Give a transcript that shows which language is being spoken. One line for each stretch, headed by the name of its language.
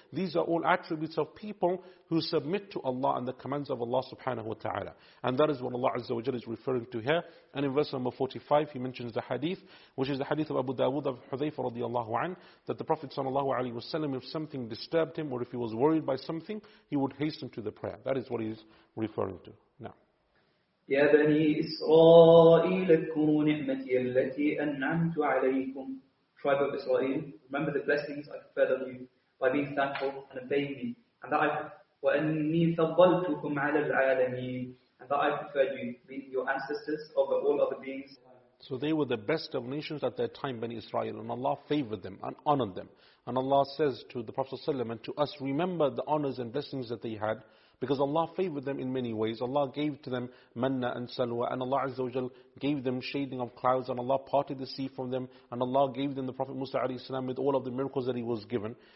English: These are all attributes of people who submit to Allah and the commands of Allah subhanahu wa ta'ala. And that is what Allah Azza wa Jalla is referring to here. And in verse number 45, he mentions the hadith, which is the hadith of Abu Dawud of Hudhayfa radiallahu an, that the Prophet sallallahu alayhi wa sallam, if something disturbed him or if he was worried by something, he would hasten to the prayer. That is what he is referring to.
Arabic: يا بني إسرائيل اذكروا نعمتي التي أنعمت عليكم.
English: Tribe of Israel, remember the blessings I conferred on you by being thankful and obeying me. And that I,
Arabic: وأني فضلتكم على العالمين.
English: And that I preferred you, being your ancestors, over all other beings. So they were the best of nations at that time, Bani Israel, and Allah favored them and honored them. And Allah says to the Prophet ﷺ and to us, remember the honors and blessings that they had, because Allah favored them in many ways. Allah gave to them manna and salwa, and Allah Azza wa Jal gave them shading of clouds, and Allah parted the sea from them, and Allah gave them the Prophet Musa alayhi salam with all of the miracles that he was given.